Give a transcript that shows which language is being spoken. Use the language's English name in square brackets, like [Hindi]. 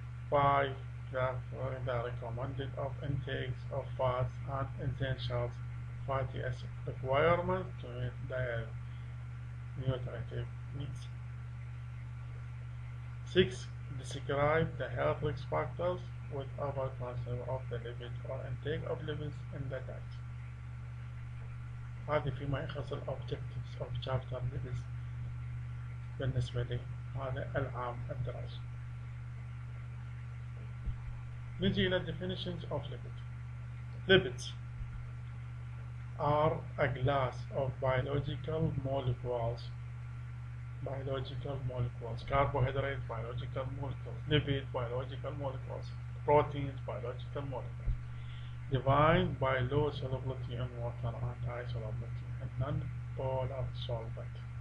[English] Five, clarify the recommended of intakes of fats and essential fatty acid requirements to meet their nutritive needs. Six, describe the health risk factors with other concern of the lipid or intake of lipids in the diet. [Arabic] هذه فيما يخص الـ [English] objectives of chapter lipids [Arabic] بالنسبة لي هذا العام الدراسي. نجي إلى [English] definitions of lipids. Lipids are a class of biological molecules. Biological molecules, carbohydrates, biological molecules, lipids, biological molecules, proteins, biological molecules, defined by low solubility in water and high solubility in non-polar solvent.